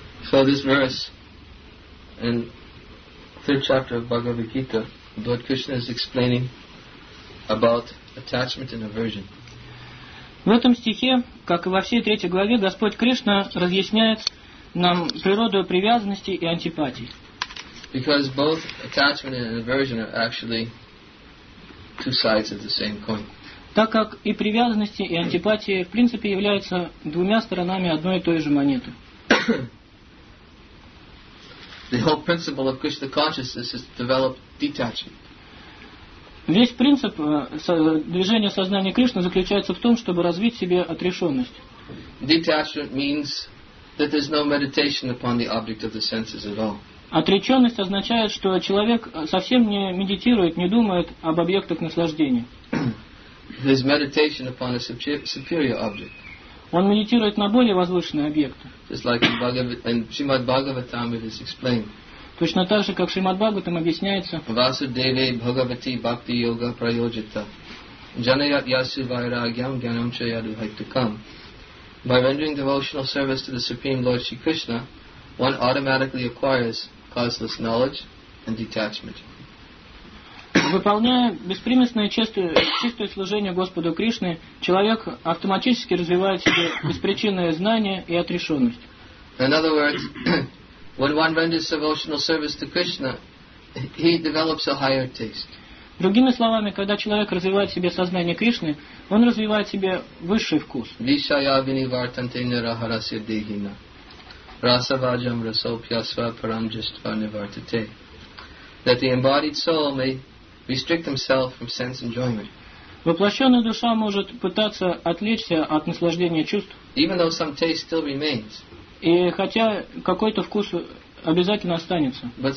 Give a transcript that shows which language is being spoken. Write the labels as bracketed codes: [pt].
[en] So this verse in third chapter of Bhagavad Gita, Lord Krishna is explaining about attachment and aversion. [ru] В этом стихе, как и во всей третьей главе, Господь Кришна разъясняет нам природу привязанности и антипатии. [en] Because both attachment and aversion are actually two sides of the same coin. [ru] Так как и привязанности, и антипатии, в принципе, являются двумя сторонами одной и той же монеты. [en] The whole principle of Krishna consciousness is to develop detachment. [ru] Весь принцип движения сознания Кришны заключается в том, чтобы развить в себе отрешенность. [en] Detachment means that there's no meditation upon the object of the senses at all. [ru] Отреченность означает, что человек совсем не медитирует, не думает об объектах наслаждения. [en] There's meditation upon a superior object. [ru] Он медитирует на более возвышенные объекты. [en] Just like in Srimad Bhagavatam it is explained. [ru] Точно так же, как Шримад Бхагаватам объясняется. [sa] Васудеве Бхагавати Бхакти Йога Прайоджита. Джанаят Ясу Вайрагьям Гьянам Чаяду Хайтукам. [en] By rendering devotional service to the Supreme Lord Shri Krishna, one automatically acquires causeless knowledge and detachment. [ru] Выполняя беспримесное чистое служение Господу Кришне, человек автоматически развивает в себе беспричинное знание и отрешенность. [en] In other words, when one renders devotional service to Krishna, he develops a higher taste. [ru] Другими словами, когда человек развивает в себе сознание Кришны, он развивает в себе высший вкус. [sa] Вишая винивартанте нирахарасья дегина. Расаваджам расопьясва парамджиства нивартате. [en] That the embodied soul may restrict himself from sense enjoyment. [ru] Воплощенная душа может пытаться отвлечься от наслаждения чувств. [en] Even though some taste still remains. [ru] И хотя какой-то вкус обязательно останется.